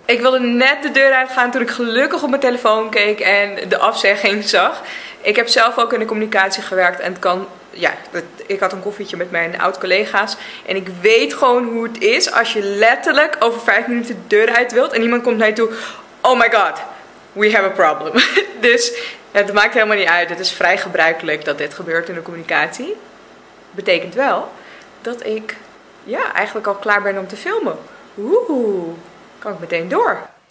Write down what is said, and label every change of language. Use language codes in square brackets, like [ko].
[nl] Ik wilde net de deur uitgaan toen ik gelukkig op mijn telefoon keek en de afzegging zag. Ik heb zelf ook in de communicatie gewerkt. En het kan, ja, ik had een koffietje met mijn oud-collega's. En ik weet gewoon hoe het is als je letterlijk over 5 minuten de deur uit wilt. En iemand komt naar je toe. [en] Oh my god, we have a problem. [nl] Dus het maakt helemaal niet uit. Het is vrij gebruikelijk dat dit gebeurt in de communicatie. Betekent wel... dat ik, ja, eigenlijk al klaar ben om te filmen. Oeh, kan ik meteen door.